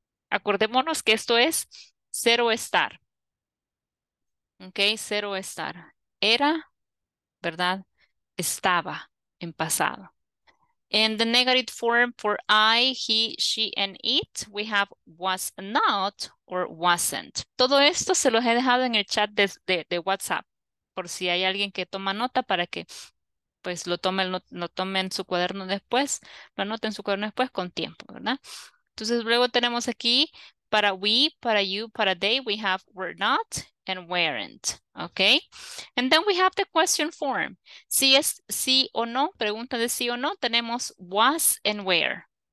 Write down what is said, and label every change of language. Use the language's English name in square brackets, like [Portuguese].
[Spanish] Acordémonos que esto es cero estar. Ok, cero estar. Era, ¿verdad? Estaba en pasado. [English] In the negative form for I, he, she, and it, we have was not or wasn't. [Spanish] Todo esto se los he dejado en el chat de WhatsApp, por si hay alguien que toma nota para que pues lo tome en su cuaderno después, lo anote en su cuaderno después con tiempo, ¿verdad? Entonces luego tenemos aquí para [English] we, para you, para they, we have were not and weren't, okay? And then we have the question form. [Spanish] Si es sí o no, pregunta de sí o no, tenemos [English] was and where.